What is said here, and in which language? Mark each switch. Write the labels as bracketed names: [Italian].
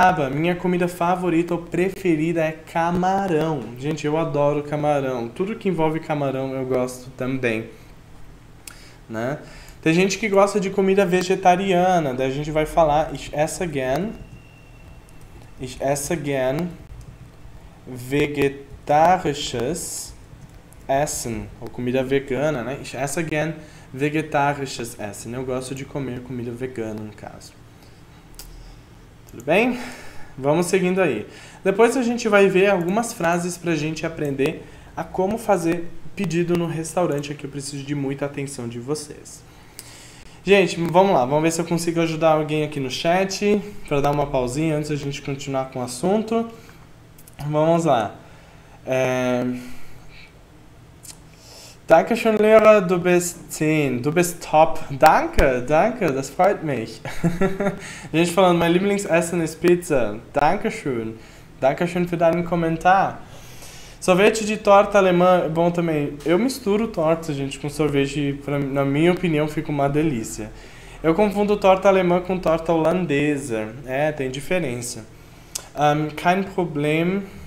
[Portuguese] Minha comida favorita ou preferida é camarão. Gente, eu adoro camarão. Tudo que envolve camarão eu gosto também, né? Tem gente que gosta de comida vegetariana. Daí a gente vai falar [German] ich esse gern. Ich esse gern vegetarisches Essen. [Portuguese] Ou comida vegana, né? [German] Ich esse gern vegetarisches Essen. [Portuguese] Eu gosto de comer comida vegana, no caso. Tudo bem? Vamos seguindo aí. Depois a gente vai ver algumas frases para a gente aprender a como fazer pedido no restaurante. Aqui eu preciso de muita atenção de vocês. Gente, vamos lá. Vamos ver se eu consigo ajudar alguém aqui no chat para dar uma pausinha antes da gente continuar com o assunto. Vamos lá. [German] Danke schön, Lehrer, du bist 10, du bist top. Danke, danke, das freut mich. Ich falando, mein Lieblingsessen ist Pizza. Dankeschön. Dankeschön für deinen Kommentar. [Portuguese] Sorvete de torta alemã é bom também. Eu misturo torta, gente, com sorvete. Na minha opinião, fica uma delícia. Eu confundo torta alemã com torta holandesa. É, tem diferença. [German] Kein Problem.